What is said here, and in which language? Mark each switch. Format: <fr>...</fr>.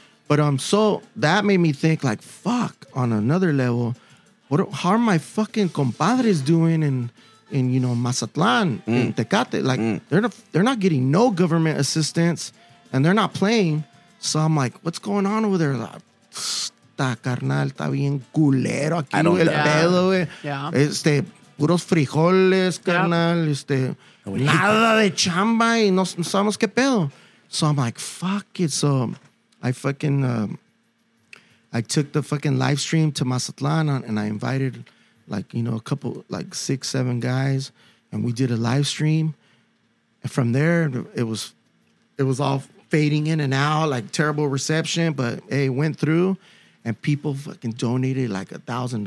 <en>But so that made me think, like, fuck, on another level, how are my fucking compadres doing in, you know, Mazatlán, in Tecate. Like, they're not getting no government assistance, and they're not playing. So I'm like, what's going on over there?</en> <es>Like, está carnal, está bien culero aquí, el pedo, güey.</es> <en>Yeah.</en> <es>Este, puros frijoles, carnal, este, nada de chamba, y no, no sabemos qué pedo.</es> <en>So I'm like, fuck it. So I fucking, I took the fucking live stream to Mazatlán, and I invited, like, you know, a couple, like, six, seven guys, and we did a live stream. And from there, it was all fading in and out, like, terrible reception, but hey, it went through, and people fucking donated, like, $1,000.</en>